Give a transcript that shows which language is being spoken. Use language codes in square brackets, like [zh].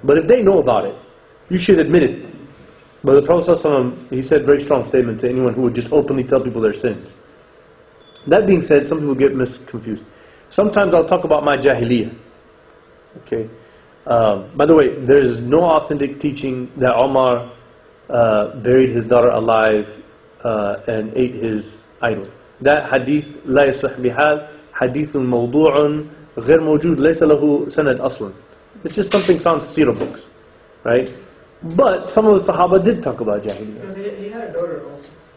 [en] But if they know about it, you should admit it. But the Prophet ﷺ, he said a very strong statement to anyone who would just openly tell people their sins. That being said, some people get misconfused. Sometimes I'll talk about my jahiliyyah. Okay. By the way, there is no authentic teaching that Omar buried his daughter alive and ate his idol. That hadith, [ar] لا يصح بحال, حديث موضوع غير موجود, ليس له سند أصلا. [en] It's just something found in seerah books, right? But some of the Sahaba did talk about jahiliyyah. Because he had a daughter also.